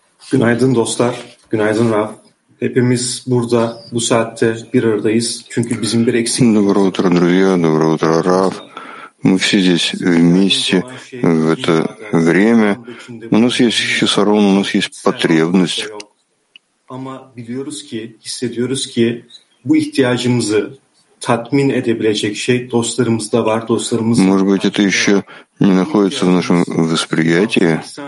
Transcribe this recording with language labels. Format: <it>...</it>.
<tr>Günaydın dostlar, günaydın Rav. Hepimiz burada bu saatte bir aradayız. Çünkü bizim bir eksikliğimiz.</tr> <ru>Доброе утро, друзья. Доброе утро, Рав. Мы все здесь вместе в это время. У нас есть хисарон, у нас есть потребность.</ru> <tr>Ama biliyoruz ki, hissediyoruz ki bu ihtiyacımızı tatmin edebilecek şey dostlarımızda var, dostlarımız.</tr> <ru>Может быть, это еще не находится в нашем восприятии.</ru>